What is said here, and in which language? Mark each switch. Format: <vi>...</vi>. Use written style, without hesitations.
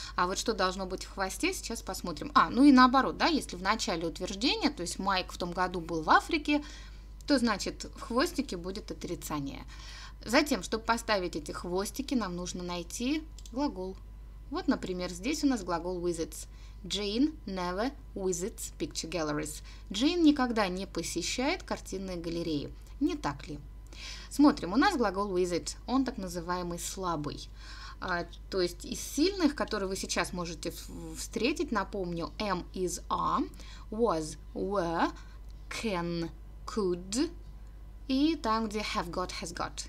<ru>А вот что должно быть в хвосте, сейчас посмотрим. А, ну и наоборот, да, если в начале утверждение, то есть Майк в том году был в Африке, то значит в хвостике будет отрицание. Затем, чтобы поставить эти хвостики, нам нужно найти глагол. Вот, например, здесь у нас глагол visits.</ru> <en>Jane never visits picture galleries.</en> <ru>Джейн никогда не посещает картинные галереи. Не так ли? Смотрим, у нас глагол visit, он так называемый слабый. То есть из сильных, которые вы сейчас можете встретить, напомню, am, is, are, was, were, can, could, и там, где have got, has got.</ru>